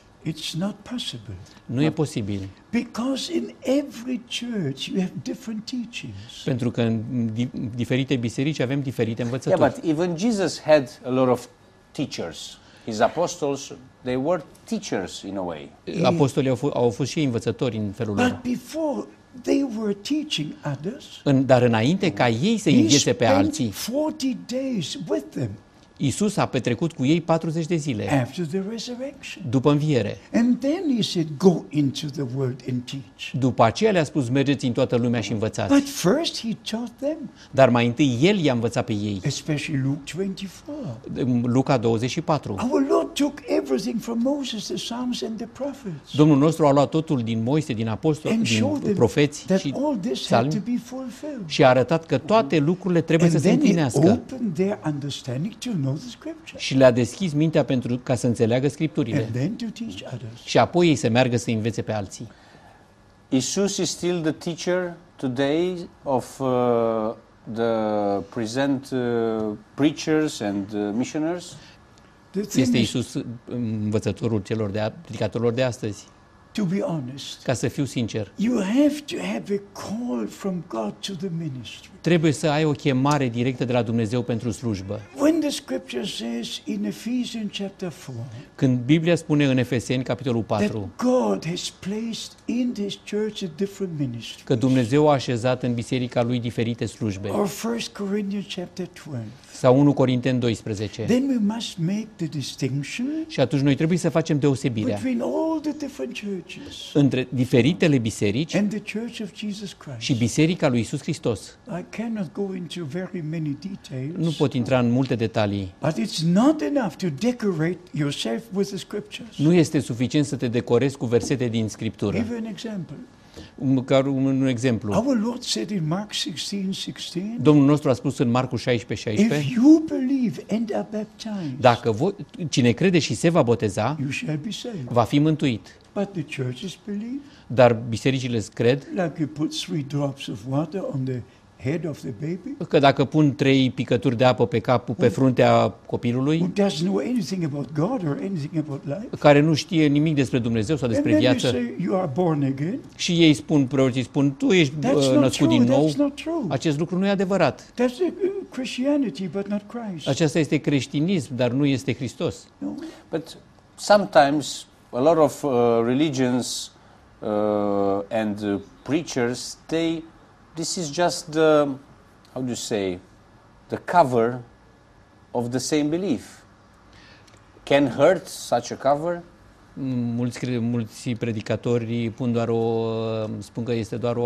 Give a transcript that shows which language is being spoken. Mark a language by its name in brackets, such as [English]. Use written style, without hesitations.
[English] It's not possible. [Romanian] Nu e posibil. [English] Because in every church you have different teachings. [Romanian] Pentru că în diferite biserici avem diferite învățături. [English] Yeah, but even Jesus had a lot of teachers. His apostles, they were teachers in a way. [Romanian] Apostolii au fost și ei învățători în felul lor. [English] But before they were teaching others. [Romanian] Dar înainte ca ei să învețe pe alții. [English] 40 days with them. [Romanian] Iisus a petrecut cu ei 40 de zile. [English] After the resurrection. [Romanian] După înviere. [English] And then he said, go into the world and teach. [Romanian] După aceea le-a spus, mergeți în toată lumea și învățați. [English] But first he taught them. [Romanian] Dar mai întâi el i-a învățat pe ei. [English] Especially Luke 24. [Romanian] Luca 24. [English] Our Lord took everything from Moses, the Psalms and the prophets. [Romanian] Domnul nostru a luat totul din Moise, din apostoli, din profeți și [English] all this had to be fulfilled. [Romanian] Și a arătat că toate lucrurile trebuie [English] and [Romanian] să se împlinească. [English] And then he opened their understanding to know the scripture. [Romanian] Și le-a deschis mintea pentru ca să înțeleagă scripturile. [English] And then to teach others. [Romanian] Și apoi ei să meargă să învețe pe alții. [English] Isus is still the teacher today of the present preachers and missionaries. [Romanian] Este Isus învățătorul celor de predicatorilor de astăzi. [English] To be honest. [Romanian] Ca să fiu sincer. [English] You have to have a call from God to the ministry. [Romanian] Trebuie să ai o chemare directă de la Dumnezeu pentru slujbă. [English] When the scripture says in Ephesians chapter 4. [Romanian] Când Biblia spune în Efeseni capitolul 4. [English] That God has placed in this church a different ministry. [Romanian] Că Dumnezeu a așezat în biserica lui diferite slujbe. [English] Or 1 Corinthians chapter 12. [Romanian] Sau 1 Corinteni 12. [English] Then we must make the distinction. [Romanian] Și atunci noi trebuie să facem deosebirea. [English] Between all the different churches. [Romanian] Între diferitele biserici. [English] And the church of Jesus Christ. [Romanian] Și biserica lui Iisus Hristos. [English] I cannot go into very many details. [Romanian] Nu pot intra în multe detalii. [English] But it's not enough to decorate yourself with the scriptures. [Romanian] Nu este suficient să te decorezi cu versete din scriptură. [English] Give an example. [Romanian] Un exemplu. [English] Our Lord said in Mark 16:16. [Romanian] Domnul nostru a spus în Marcu 16:16. [English] If you believe and are baptized. [Romanian] Dacă cine crede și se va boteza, [English] you shall be saved. [Romanian] Va fi mântuit. [English] But the churches believe. [Romanian] Dar bisericile cred. [English] Like you put 3 drops of water on the head of the baby? [Romanian] Că dacă pun 3 picături de apă pe capul, pe fruntea copilului, [English] who doesn't know anything about God or anything about life? [Romanian] Care nu știe nimic despre Dumnezeu sau despre viață. [English] And then they say, you are born again. [Romanian] Și ei spun, preoții spun, tu ești născut din nou. [English] That's not true. [Romanian] Acest lucru nu e adevărat. [English] That's Christianity, but not Christ. [Romanian] Aceasta este creștinism, dar nu este Hristos. [English] No. But sometimes a lot of religions and preachers, they this is just the, how do you say, the cover of the same belief. Can hurt such a cover? [Romanian] Mulți predicatori pun doar o, spun că este doar o